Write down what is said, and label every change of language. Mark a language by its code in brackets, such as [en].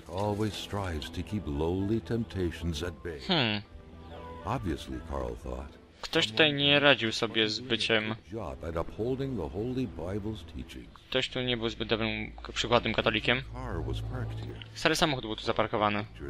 [en] Always strives to keep lowly temptations at bay. Obviously, Carl thought. [pl] Ktoś tutaj nie radził sobie z byciem. [en] Job at upholding the Holy Bible's teachings. [pl] Ktoś tu nie był zbyt dobrym przykładnym katolikiem. Stary samochód był tu zaparkowany.